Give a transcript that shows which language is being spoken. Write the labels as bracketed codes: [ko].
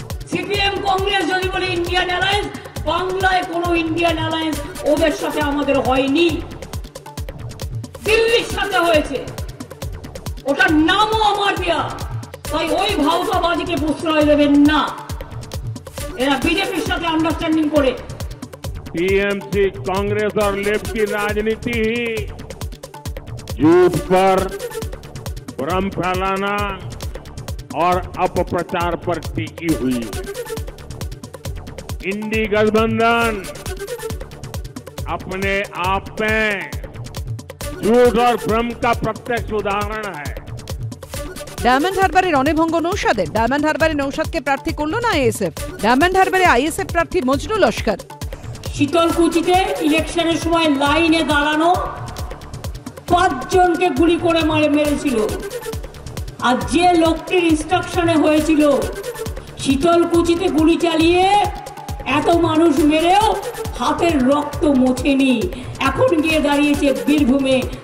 [bn] CPM Congress যদি বলে Indian alliance, বাংলায় কোনো ইন্ডিয়ান অ্যালায়েন্স ওদের সাথে আমাদের হয়নি, দিল্লির সাথে হয়েছে, ওটার নামও আমার দেয়া। তাই ওই ভাওতাবাজিকে প্রশ্রয় দেবেন না, এরা বিজেপির সাথে আন্ডারস্ট্যান্ডিং করে। [hi] টিএমসি কংগ্রেস আর লেফট কি রাজনীতি, झूठ पर भ्रम फैलाना और अपप्रचार पर टिकी हुई है। इंडी गठबंधन अपने आप में झूठ और भ्रम का प्रत्यक्ष उदाहरण है। [bn] ডায়মন্ড হারবারে রণেভঙ্গ নৌসাদের, ডায়মন্ড হারবারে নৌসাদকে প্রার্থী করলো না আইএসএফ, ডায়মন্ড হারবারে আইএসএফ প্রার্থী মজনু লস্কর। শীতলকুচিতে ইলেকশনের সময় লাইনে দাঁড়ানো পাঁচজনকে গুলি করে মারে মেরেছিল, আর যে লোকটির ইনস্ট্রাকশনে হয়েছিল শীতলকুচিতে গুলি চালিয়ে এত মানুষ মেরেও হাতের রক্ত মোছেনি, এখন গিয়ে দাঁড়িয়েছে বীরভূমে।